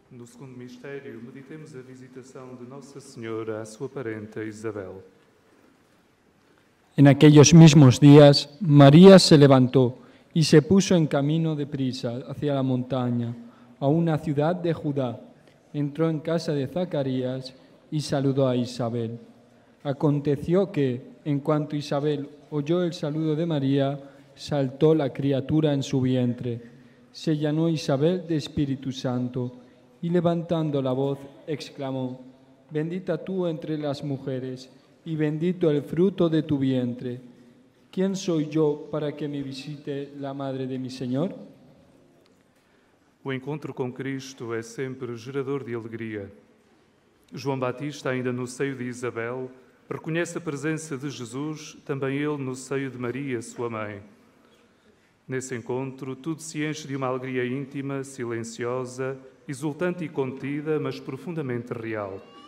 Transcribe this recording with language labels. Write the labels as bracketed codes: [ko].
[pt] Meditemos a visitação de Nossa Senhora à sua parenta Isabel. [es] En aquellos mismos días, María se levantó y se puso en camino de prisa hacia la montaña, a una ciudad de Judá. Entró en casa de Zacarías y saludó a Isabel. Aconteció que, en cuanto Isabel oyó el saludo de María, saltó la criatura en su vientre. Se llenó Isabel de Espíritu Santo. Y levantando la voz, exclamó, «Bendita tú entre las mujeres, y bendito el fruto de tu vientre. ¿Quién soy yo para que me visite la madre de mi Señor?» [pt] O encontro con Cristo es siempre gerador de alegría. João Batista, ainda no seio de Isabel, reconhece a presença de Jesus, também ele no seio de Maria, sua mãe. Nesse encontro, tudo se enche de uma alegria íntima, silenciosa, exultante e contida, mas profundamente real.